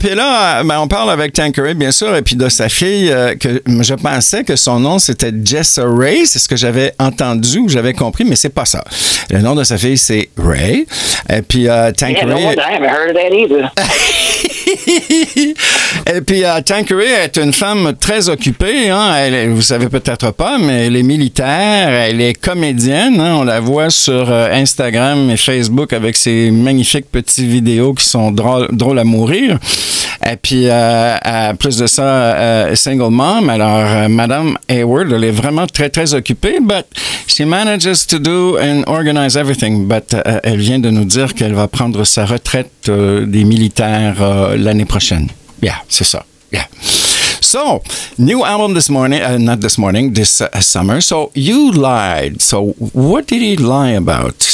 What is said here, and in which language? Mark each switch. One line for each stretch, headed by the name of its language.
French: Puis là, ben, on parle avec Tanqueray, bien sûr, et puis de sa fille. Que je pensais que son nom c'était Jessa Ray. C'est ce que j'avais entendu, j'avais compris, mais c'est pas ça. Le nom de sa fille c'est Ray. Et puis, Tanqueray.
English: Yeah, no wonder, I haven't heard of that either.
French: Et puis, Tanqueray est une femme très occupée. Hein? Elle, vous savez peut-être pas, mais elle est militaire, elle est comédienne. Hein? On la voit sur Instagram et Facebook avec ses magnifiques petites vidéos qui sont drôles à mourir. Et puis, plus de ça,
English: single mom.
French: Alors, Madame Hayward, elle est vraiment très, très occupée.
English: But she manages to do and organize everything.
French: But elle vient de nous dire qu'elle va prendre sa retraite des militaires l'année prochaine. Yeah, c'est ça. Yeah.
English: So, new album this morning, not this morning, this summer. So, you lied. So, what did he lie about?